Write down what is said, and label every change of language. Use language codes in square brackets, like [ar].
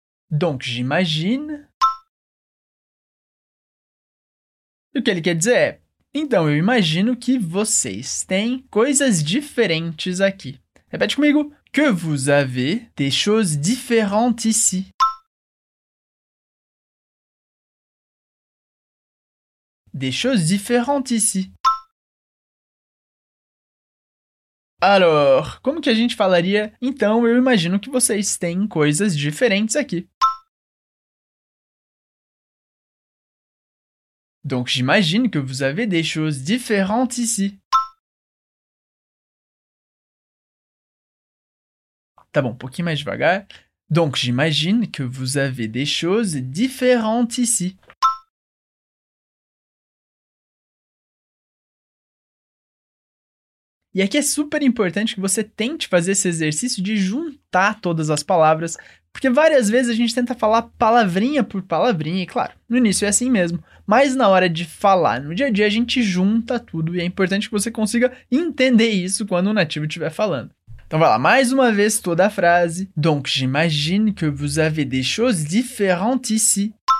[fr] Donc, j'imagine... [pt] E o que ele quer dizer é, então eu imagino que vocês têm coisas diferentes aqui. Repete comigo. [fr] Que vous avez des choses différentes ici. des choses différentes ici. Alors, [pt] como que a gente falaria? Então, eu imagino que vocês têm coisas diferentes aqui. [fr] Donc, j'imagine que vous avez des choses différentes ici. [pt] Tá bom, um pouquinho mais devagar. [fr] Donc, j'imagine que vous avez des choses différentes ici. [pt] E aqui é super importante que você tente fazer esse exercício de juntar todas as palavras, porque várias vezes a gente tenta falar palavrinha por palavrinha, e claro, no início é assim mesmo, mas na hora de falar no dia a dia a gente junta tudo, e é importante que você consiga entender isso quando o nativo estiver falando. Então vai lá, mais uma vez toda a frase. [fr] Donc, j'imagine que vous avez des choses différentes ici.